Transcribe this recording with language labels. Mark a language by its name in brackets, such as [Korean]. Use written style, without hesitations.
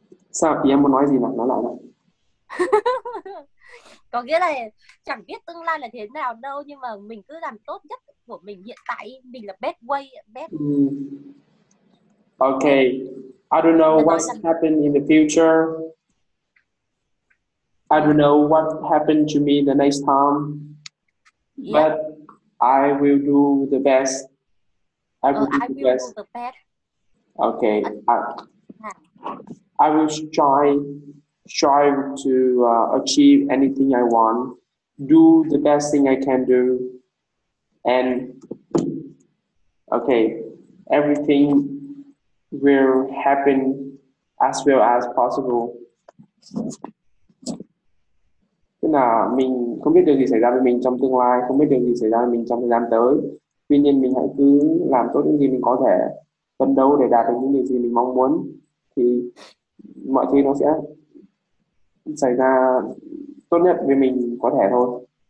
[Vietnamese] Sao thì em muốn nói gì nào? Nói lại nào. Có nghĩa là chẳng biết tương lai là thế nào đâu, nhưng mà mình cứ làm tốt nhất của mình hiện tại. Mình là [English] best way, best. Okay. I don't know what's happened in the future. I don't know what happened to me the next time. Yeah. But I will do the best. I will, do, the best. Do the best. Okay. I will strive to achieve anything I want. Do the best thing I can do. And okay, everything will happen as well as possible. [Vietnamese] Tức là mình không biết điều gì xảy ra với mình trong tương lai, không biết điều gì xảy ra với mình trong thời gian tới. Tuy nhiên mình hãy cứ làm tốt những gì mình có thể, phấn đấu để đạt được những điều gì mình mong muốn, thì mọi thứ nó sẽ xảy ra tốt nhất với mình có thể thôi.